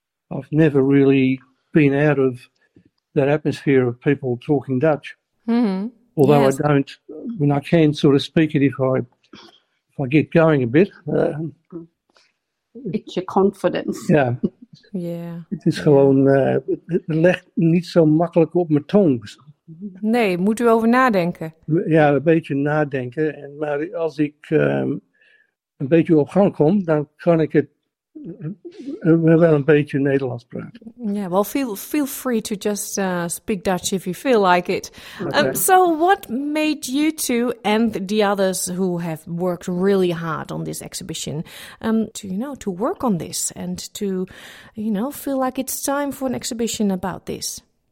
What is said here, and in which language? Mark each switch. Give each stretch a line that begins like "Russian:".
English: I've never really been out of that atmosphere of people talking Dutch, although yes. I don't, when I can sort of speak it if I get going a bit. It's your confidence. Yeah. Yeah.
Dutch: Het is gewoon, het legt niet zo makkelijk op mijn tong. Nee, moet u over nadenken. Ja, een beetje nadenken. Maar als ik een beetje op gang kom, dan kan ik het wel een beetje Nederlands praten.
English: Yeah, well, feel free to just speak Dutch if you feel like it. Okay. So what made you two and the others who have worked really hard on this exhibition to, you know, to work on this and to, you know, feel like it's time for an exhibition about this?